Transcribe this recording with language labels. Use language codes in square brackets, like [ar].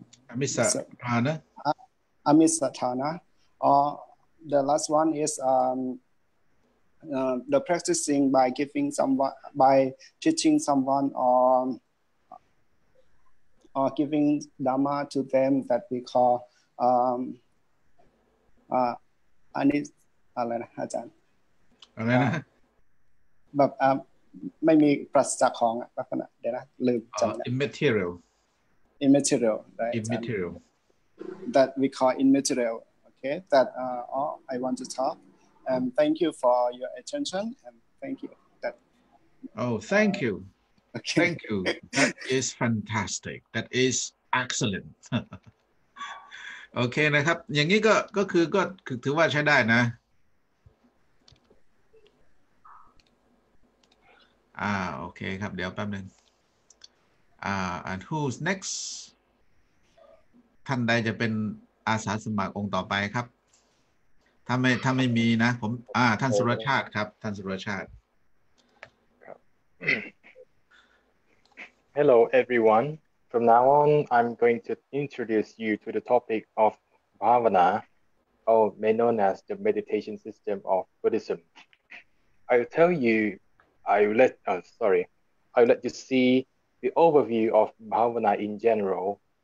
[en] Amisa thana. Or the last one is the practicing by giving someone, by teaching someone, or giving dhamma to them that we call anis. [th] อะไรนะอาจารย์อะไรนะ แบบไม่มีปราศจากของอ่ะลักษณะเดี๋ยวนะลืมจำนะ [en] immaterial right immaterial that we call immaterial okay that I want to talk and thank you for your attention and thank you that oh thank you okay thank you that is fantastic that is excellent okay [th] นะครับอย่างนี้ก็คือก็ถือว่าใช้ได้นะ โอเคครับเดี๋ยวแป๊บนึง [en] and who's next [th] ท่านใดจะเป็นอาสาสมัครองค์ต่อไปครับถ้าไม่มีนะผมท่านสุรชาติครับท่านสุรชาติครับ [en] Hello everyone from now on I'm going to introduce you to the topic of bhavana or may known as the meditation system of Buddhism I'll tell youI'll let you see the overview of bhavana in general.